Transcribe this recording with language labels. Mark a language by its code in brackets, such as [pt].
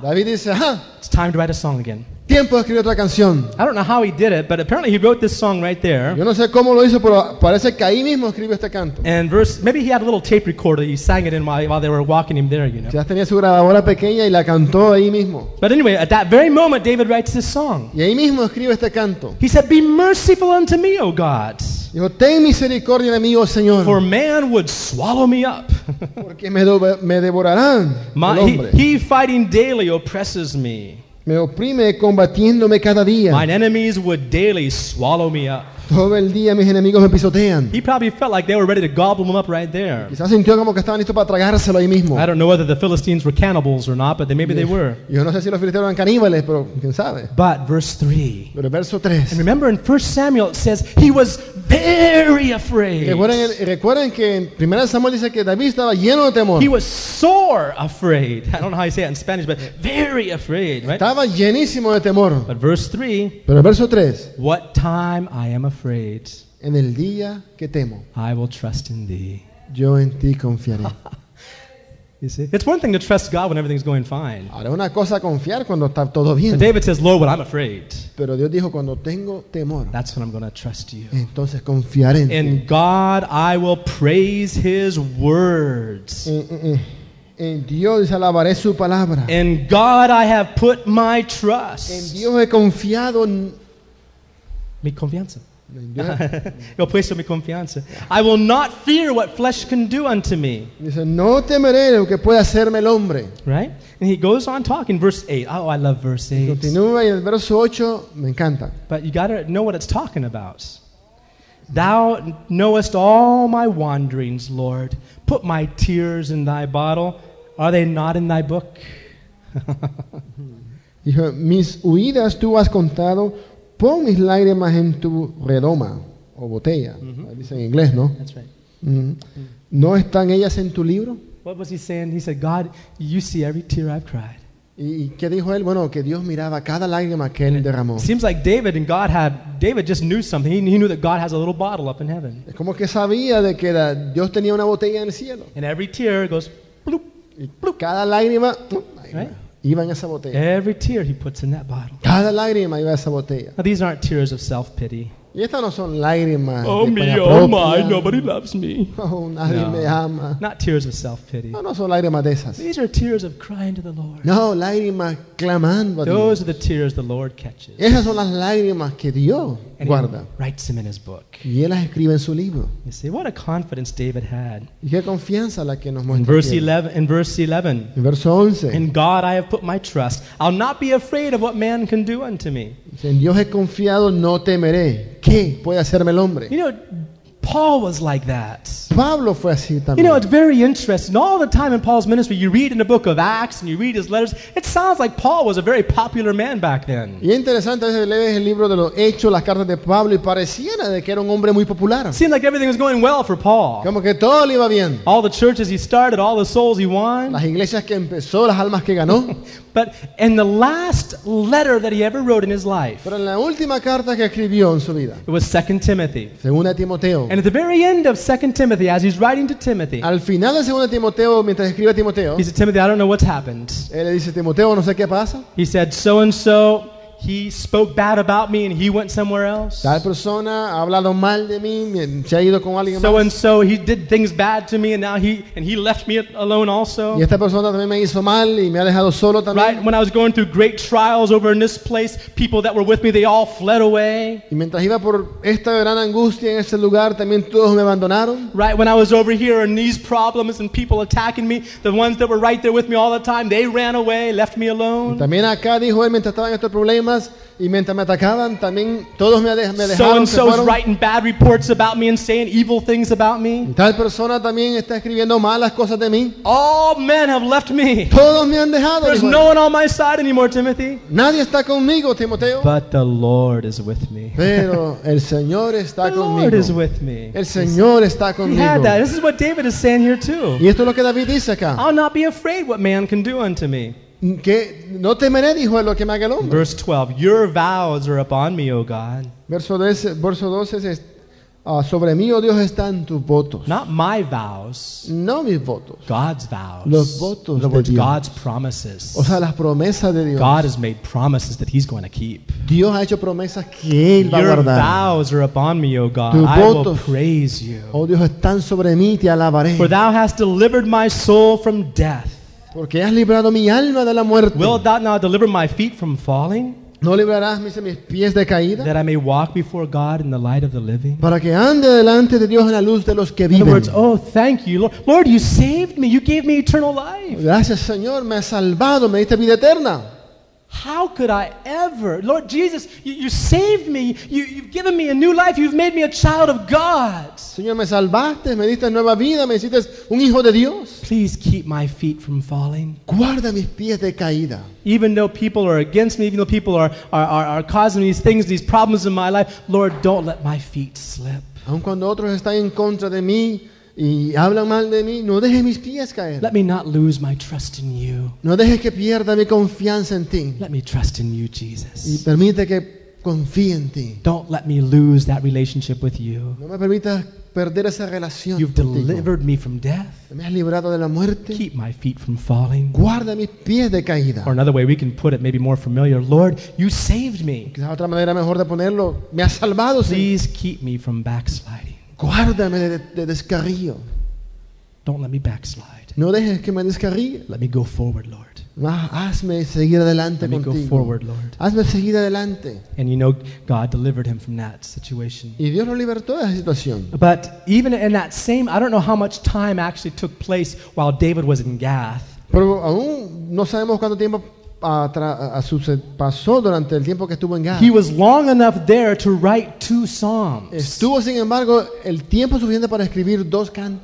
[es] David dice, "Aha." [en] It's time to write a song again. [es] Tiempo de escribir otra canción. [en] I don't know how he did it, but apparently he wrote this song right there. [es] Yo no sé cómo lo hizo, pero parece que ahí mismo escribió este canto. [en] And maybe he had a little tape recorder. He sang it in while they were walking him there, you know. [es] Ya tenía su grabadora pequeña y la cantó ahí mismo. [en] But anyway, at that very moment, David writes this song. [es] Y ahí mismo escribe este canto. [en] He said, "Be merciful unto me, O God." [es] Dijo, "Ten misericordia de mí, oh Señor." [en] For man would swallow me up. [es] Porque me devorarán. [en] He fighting daily oppresses me. [es] Me oprime combatiéndome cada día. [en] Mine enemies would daily swallow me up. [es] Todo el día mis enemigos me pisotean. [en] He probably felt like they were ready to gobble him up right there. [es] Quizás sintió como que estaban listos para tragárselo ahí mismo. [en] I don't know whether the Philistines were cannibals or not, but maybe they were. [es] Yo no sé si los filisteos eran caníbales, pero quién sabe. [en] But verse 3. [es] Pero verso 3. [en] And remember in 1 Samuel it says he was very afraid. [es] Recuerden que en 1 Samuel dice que David estaba lleno de temor. [en] He was sore afraid. I don't know how you say it in Spanish, but very afraid, right? [es] Estaba llenísimo de temor. [en] But verse 3. [es] Pero verso 3. [en] What time I am afraid. [es] En el día que temo. [en] I will trust in thee. [es] Yo en ti confiaré. [en] You see? It's one thing to trust God when everything's going fine. [es] Ahora una cosa confiar cuando está todo bien. [en] But David says, "Lord, when I'm afraid." [es] Pero Dios dijo, cuando tengo temor. [en] That's when I'm going to trust you. [es] Entonces confiaré en ti. [en] In God I will praise his words. [es] En Dios alabaré su palabra. [en] In God I have put my trust. [es] En Dios he confiado mi confianza. Yo he puesto mi confianza. [en] I will not fear what flesh can do unto me. [es] Dice, no temeré lo que puede hacerme el hombre. [en] Right? And he goes on talking, verse 8. Oh, I love verse 8. [es] Continúa y el verso 8 me encanta. [en] But you got to know what it's talking about. Thou knowest all my wanderings, Lord. Put my tears in thy bottle. Are they not in thy book? [es] Dijo, mis huidas tú has contado. Pon mis lágrimas en tu redoma o botella. Mm-hmm. Dice en inglés, ¿no? [en] That's right. Mm-hmm. [es] ¿No están ellas en tu libro? [en] What was he saying? He said, "God, you see every tear I've cried." [es] ¿Y qué dijo él? Bueno, que Dios miraba cada lágrima que él derramó. [en] Seems like David and God had, David just knew something. He knew that God has a little bottle up in heaven. [es] Es como que sabía de que Dios tenía una botella en el cielo. [en] And every tear goes, bloop, bloop. [es] Cada lágrima, [en] right? [es] Iba en esa botella. [en] Every tear he puts in that bottle. [es] Cada lágrima iba a esa botella. [en] Now, these aren't tears of self-pity. [es] Y estas no son lágrimas. [en] Oh, me, oh, my, nobody loves me. [es] Oh, nadie me ama. [en] Not tears of self-pity. [es] No, no son lágrimas de esas. [en] These are tears of crying to the Lord. [es] No, lágrimas clamando a [en] Those Are the tears the Lord catches. [es] Esas son las lágrimas que Dios [en] and [es] guarda. [en] He writes them in his book. [es] Y él las escribe en su libro. [en] You see, what a confidence David had. [es] Y qué confianza la que nos muestra. [en] In verse 11. In God I have put my trust. I'll not be afraid of what man can do unto me. [es] En Dios he confiado, no temeré. ¿Qué puede hacerme el hombre? [en] You know, Paul was like that. [es] Pablo fue así también. [en] You know, it's very interesting. All the time in Paul's ministry, you read in the book of Acts and you read his letters, it sounds like Paul was a very popular man back then. [es] Y interesante, a veces lees el libro de los Hechos, las cartas de Pablo, y pareciera de que era un hombre muy popular. [en] Seemed like everything was going well for Paul. [es] Como que todo le iba bien. [en] All the churches he started, all the souls he won. [es] Las iglesias que empezó, las almas que ganó. [en] But in the last letter that he ever wrote in his life, [es] pero en la última carta que escribió en su vida, [en] it was 2 Timothy. [es] Segunda Timoteo. [en] And at the very end of 2 Timothy, as he's writing to Timothy, [es] al final de Segunda Timoteo, mientras escribe a Timoteo, [en] he said, Timothy, I don't know what's happened. [es] Él le dice, Timoteo, no sé qué pasa. [en] He said, so and so, he spoke bad about me and he went somewhere else. [es] Tal persona ha hablado mal de mí, se ha ido con alguien más. [en] So and so, he did things bad to me and now he left me alone also. [es] Y esta persona también me hizo mal y me ha dejado solo también. [en] Right, when I was going through great trials over in this place, people that were with me, they all fled away. [es] Y mientras iba por esta gran angustia en este lugar, también todos me abandonaron. [en] Right, when I was over here and these problems and people attacking me, the ones that were right there with me all the time, they ran away, left me alone. [es] Y también acá dijo él, mientras estaba en estos problemas, y mientras me atacaban también todos me dejaron, [en] so and so is writing bad reports about me and saying evil things about me. [es] Tal persona también está escribiendo malas cosas de mí. [en] All men have left me. [es] Todos me han dejado. [en] There's no one on my side anymore, Timothy. [es] Nadie está conmigo, Timoteo. [en] But the Lord is with me. [es] Pero el Señor está conmigo. [en] The Lord is with me. [es] El Señor está conmigo. [en] He had that. This is what David is saying here too. [es] Y esto es lo que David dice acá. [en] I'll not be afraid what man can do unto me. [es] Que no temeré, dijo él, lo que me haga el hombre. [en] Verse 12, your vows are upon me, O God. [es] Verso 12 es, sobre mí, oh Dios, están tus votos. [en] Not my vows. [es] No mis votos. [en] God's vows. [es] Los votos de Dios. [en] God's promises. [es] O sea, las promesas de Dios. [en] God has made promises that he's going to keep. [es] Dios ha hecho promesas que él va a guardar. [en] Your vows are upon me, O God. [es] Tus votos, [en] I will praise you. [es] Oh Dios, están sobre mí, te alabaré. [en] For thou hast delivered my soul from death. [es] Porque has librado mi alma de la muerte. [en] Will thou not deliver my feet from falling? [es] ¿No librarás mis pies de caída? [en] That I may walk before God in the light of the living. [es] Para que ande delante de Dios en la luz de los que viven. [en] In other words, oh, thank you, Lord. Lord, you saved me. You gave me eternal life. [es] Gracias, Señor. Me has salvado. Me diste vida eterna. [en] How could I ever, Lord Jesus, you saved me, you've given me a new life, you've made me a child of God. [es] Señor, me salvaste, me diste nueva vida, me hiciste un hijo de Dios. [en] Please keep my feet from falling. [es] Guarda mis pies de caída. [en] Even though people are against me, even though people are causing these things, these problems in my life, Lord, don't let my feet slip. [es] Aun cuando otros están en contra de mí, y hablan mal de mí, no deje mis pies caer. [en] Let me not lose my trust in you. [es] No deje que pierda mi confianza en ti. [en] Let me trust in you, Jesus. [es] Y permite que confíe en ti. [en] Don't let me lose that relationship with you. [es] No me permita perder esa relación. [en] You've delivered me from death. [es] Me has librado de la muerte. [en] Keep my feet from falling. [es] Guarda mis pies de caída. [en] Or another way we can put it, maybe more familiar, Lord, you saved me. [es] Quizás otra manera mejor de ponerlo, me has salvado. [en] Please keep me from backsliding. [es] Guárdame de descarrío. [en] Don't let me backslide. [es] No dejes que me descarríe. [en] Let me go forward, Lord. [es] Hazme seguir adelante contigo. [en] Let me go forward, Lord. [es] Hazme seguir adelante. [en] And you know God delivered him from that situation. [es] Y Dios lo libertó de esa situación. [en] But even in that same, I don't know how much time actually took place while David was in Gath. [es] Pero aún no sabemos cuánto tiempo pasó durante el tiempo que estuvo en Gath. [en] He was long enough there to write two psalms. [es] Estuvo sin embargo el tiempo suficiente para escribir dos cantos.